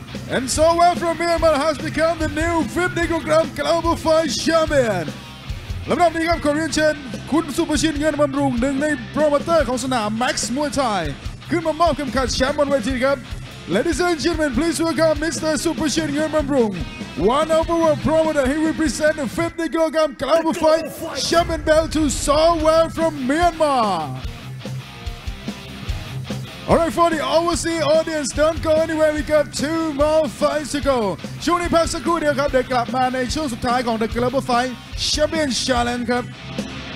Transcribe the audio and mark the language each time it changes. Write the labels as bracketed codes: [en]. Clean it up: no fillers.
[en] And Sawel from Myanmar has become the new 50 kilogram global fight champion. [th] ลำดับนี้ครับขอเรียนเชิญคุณสุภชินเงินบำรุงหนึ่งในโปรโมเตอร์ของสนาม Max Muay Thai ขึ้นมามอบเข็มขัดแชมป์บนเวทีครับ [en] Ladies and gentlemen, please welcome Mr. Super Shin Yermanbrung, one of our promoters. He represents the 50 kilogram club fight champion belt to Sawel from Myanmar. All right, for the overseas audience, don't go anywhere. We got two more fights to go. [th] ช่วงนี้พักสักครู่เดียวครับเดี๋ยวกลับมาในช่วงสุดท้ายของ The Global Fight Champion Challenge ครับ